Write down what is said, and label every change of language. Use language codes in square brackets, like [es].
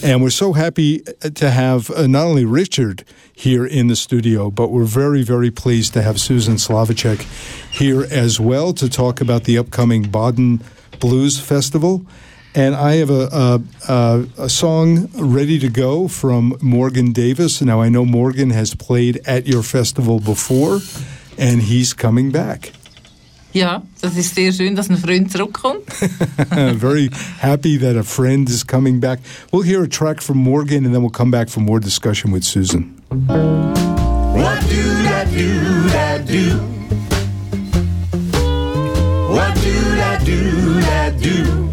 [en] And we're so happy to have not only Richard here in the studio, but we're very, very pleased to have Susan Slavicek here as well to talk about the upcoming Baden Blues Festival. And I have a song ready to go from Morgan Davis. Now, I know Morgan has played at your festival before, and he's coming back. [de] Ja, das ist sehr schön, dass ein Freund zurückkommt. [en] Very happy that a friend is coming back. We'll hear a track from Morgan, and then we'll come back for more discussion with Susan. What do that do that do? What do that do that do?